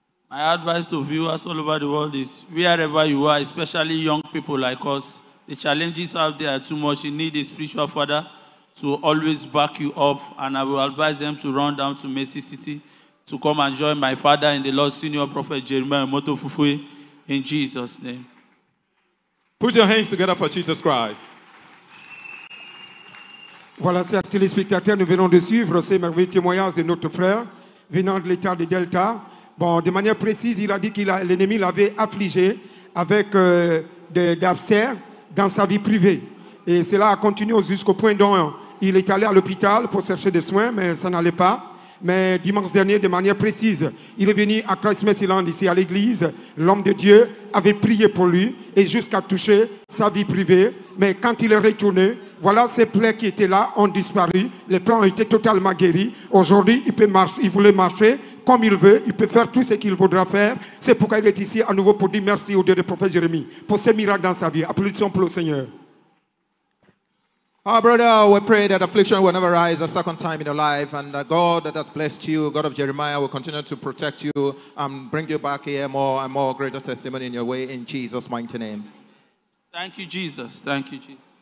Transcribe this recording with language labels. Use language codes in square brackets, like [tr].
[en] My advice to viewers all over the world is, wherever you are, especially young people like us, the challenges out there are too much. You need a spiritual father to always back you up. And I will advise them to run down to Mercy City to come and join my father in the Lord, Senior Prophet Jeremiah Omoto Fufeyin, in Jesus' name. Put your hands together for Jesus Christ. [fr] Voilà, chers téléspectateurs, nous venons de suivre ces merveilleux témoignages de notre frère venant de l'état de Delta. Bon, de manière précise, il a dit que l'ennemi l'avait affligé avec d'abcès dans sa vie privée. Et cela a continué jusqu'au point dont il est allé à l'hôpital pour chercher des soins, mais ça n'allait pas. Mais dimanche dernier, de manière précise, il est venu à Christ Mercyland, ici à l'église. L'homme de Dieu avait prié pour lui et jusqu'à toucher sa vie privée. Mais quand il est retourné, voilà, ses plaies qui étaient là ont disparu. Les plaies ont été totalement guéries. Aujourd'hui, il voulait marcher comme il veut. Il peut faire tout ce qu'il voudra faire. C'est pourquoi il est ici à nouveau pour dire merci au Dieu du prophète Jérémie pour ses miracles dans sa vie. Applaudissons pour le Seigneur. [en] Our brother, we pray that affliction will never rise a second time in your life, and the God that has blessed you, God of Jeremiah, will continue to protect you and bring you back here more and more greater testimony in your way, in Jesus' mighty name. Thank you, Jesus. Thank you, Jesus.